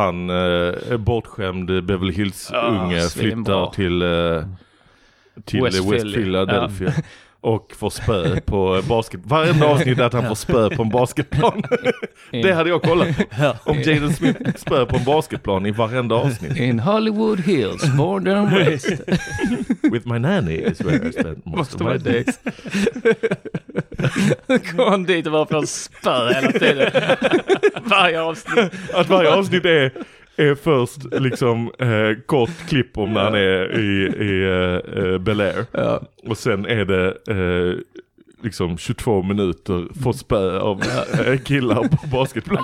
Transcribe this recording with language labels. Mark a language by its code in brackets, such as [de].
[sv] Han är bortskämd Beverly Hills unge flyttar till West Philadelphia. Ja. Och får spö på basket. Varje avsnitt är att han får spö på en basketplan. Det hade jag kollat på. Om Jaden Smith spö på en basketplan i varenda avsnitt. [en] In Hollywood Hills, born and raised. With my nanny is where I spent most of my days. [sv] Kom han dit och bara får spö hela tiden. Varje avsnitt. Att varje avsnitt är... Är först liksom kort klipp om när han är i Bel Air. Ja. Och sen är det liksom 22 minuter för spö av killar på basketplanen.